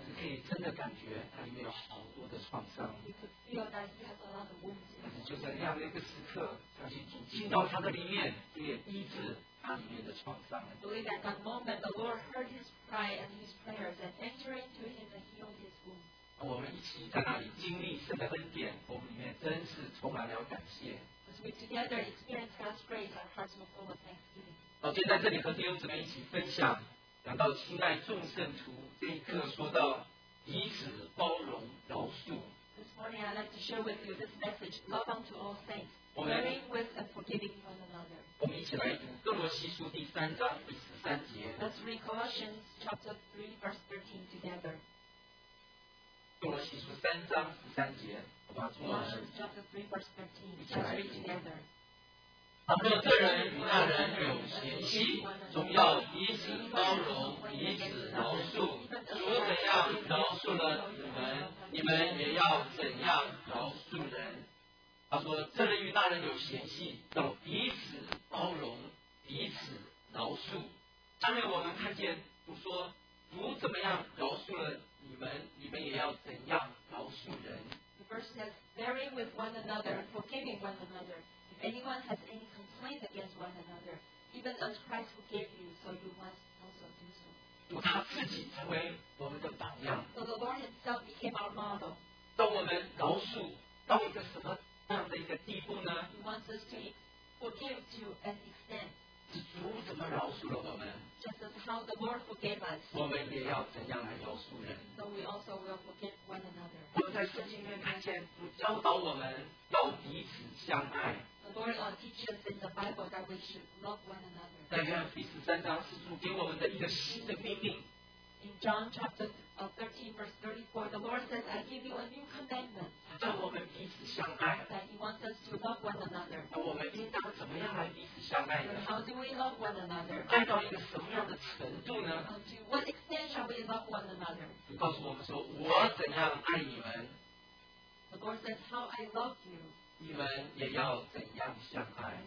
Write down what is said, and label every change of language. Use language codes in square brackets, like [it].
[en] You could feel that he has a lot of wounds. But just in that moment, I believe God heard him and healed his wounds. I believe that that moment the Lord heard his cry and his prayers and entered into him and healed his wounds. [zh] 我们一起在那里经历神的恩典，我们里面真是充满了感谢。 [en] As we together experience God's grace, our hearts will full of thanksgiving. [zh] 好，现在这里和弟兄姊妹一起分享，讲到亲爱众圣徒这一课，说到彼此包容饶恕。 [en] This morning, I'd like to share with you this message: love unto all saints, bearing with and forgiving one another. [zh] 我们一起来读哥罗西书第三章第十三节。 [en] Let's read Colossians chapter 3 verse 13 together. [zh] 哥罗西书三章十三节，我把中文一起来读。倘若这人与那人有嫌隙，总要彼此包容，彼此饶恕。主怎样饶恕了你们，你们也要怎样饶恕人。他说这人与那人有嫌隙，要彼此包容，彼此饶恕。上面我们看见主说，主怎么样饶恕了你们，你们也要怎样饶恕人。 [en] Verse says, bearing with one another, forgiving one another. If anyone has any complaint against one another, even as Christ forgave you, so you must also do so. So the Lord Himself became our model. [zh] 当我们饶恕到一个什么样的一个地步呢？ [en] He wants us to forgive to an extent. [zh] 是主怎么饶恕了我们？ [en] Just as how the Lord forgave us. [zh] 我们也要怎样来饶恕人？ [en] So we also will forgive one another. [zh] 在圣经里面看见主教导我们要彼此相爱。 [en] The Lord teaches us in the Bible that we should love one another. [zh] 在约翰福音三章是主给我们的一个新的命令。 [en] In John chapter 13 verse 34, the Lord says, I give you a new commandment. [zh] 叫我们彼此相爱。 [en] That He wants us to love one another. [zh] 那我们应当怎么样来彼此相爱呢？ [en] How do we love one another? [zh] 爱到一个什么样的程度呢？ [en] To what extent shall we love one another? [zh] 告诉我们说，我怎样爱你们。 [en] The Lord says, How I love you. [zh] 你们也要怎样相爱。